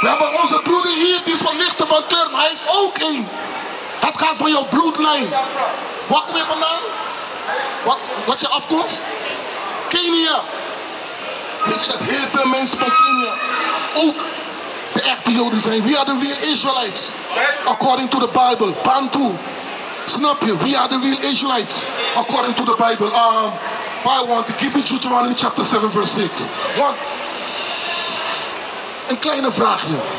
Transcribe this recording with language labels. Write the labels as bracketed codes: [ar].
[nl] We hebben onze broeder hier, die is wat lichter van kleur, maar hij heeft ook één. Het gaat van jouw bloedlijn. Waar kom je vandaan? Wat is je afkomst? Kenia. Weet je dat heel veel mensen van Kenia ook de echte Joden zijn? [en] We are the real Israelites, according to the Bible. Bantu. [nl] Snap je? [en] We are the real Israelites, according to the Bible. I want to give me Deuteronomy chapter 7, verse 6. [nl] Want, een kleine vraagje.